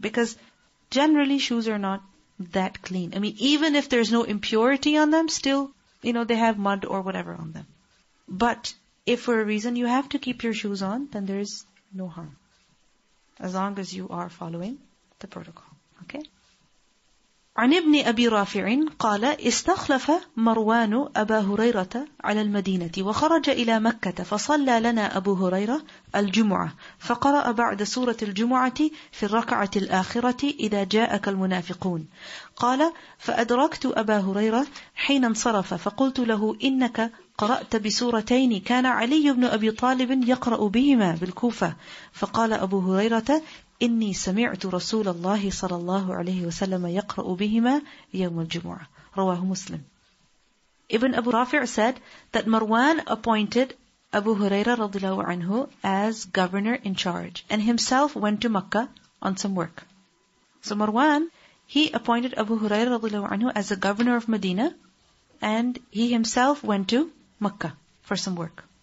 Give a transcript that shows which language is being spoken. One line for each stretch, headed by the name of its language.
English: Because generally shoes are not that clean. I mean, even if there's no impurity on them, still, you know, they have mud or whatever on them. But if for a reason you have to keep your shoes on, then there is no harm. As long as you are following the protocol. Okay?
Arabic: عن ابن أبي رافع قال استخلف مروان أبا هريرة على المدينة وخرج إلى مكة فصلى لنا أبو هريرة الجمعة فقرأ بعد سورة الجمعة في الركعة الآخرة إذا جاءك المنافقون قال فأدركت أبا هريرة حين انصرف فقلت له إنك قرأت بسورتين كان علي بن أبي طالب يقرأ بهما بالكوفة فقال أبو هريرة إني سمعت رسول الله صلى الله عليه وسلم يقرأ بهما يوم الجمعة رواه مسلم.
English: Ibn Abu Rafi' said that Marwan appointed Abu Huraira radhiyallahu anhu as governor in charge and himself went to Mecca on some work. So Marwan, he appointed Abu Huraira radhiyallahu anhu as the governor of Medina and he himself went to Mecca for some work.